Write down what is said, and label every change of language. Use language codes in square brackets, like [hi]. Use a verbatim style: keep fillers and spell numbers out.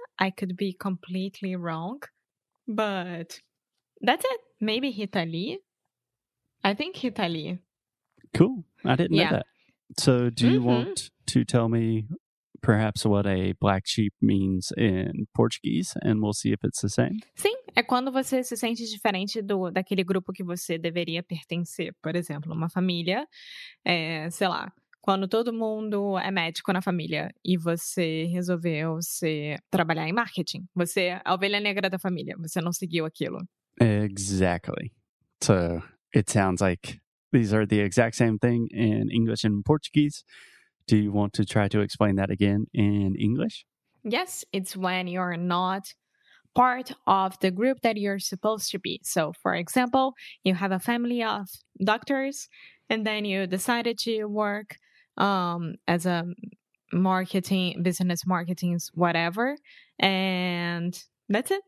[en] I could be completely wrong, but that's it. Maybe Hitali. I think Hitali. Cool. I didn't know Yeah. that. So, do you Mm-hmm. want to tell me perhaps what a black sheep means in Portuguese and we'll see if it's the same? [pt] Sim, é quando você se sente diferente do, daquele grupo que você deveria pertencer. Por exemplo, uma família, é, sei lá, quando todo mundo é médico na família e você resolveu se trabalhar em marketing, você é a ovelha negra da família, você não seguiu aquilo. [en] Exactly. So, it sounds like these are the exact same thing in English and Portuguese, Do you want to try to explain that again in English? Yes, it's when you're not part of the group that you're supposed to be. So, for example, you have a family of doctors, and then you decided to work um, as a marketing, business marketing, whatever, and that's it.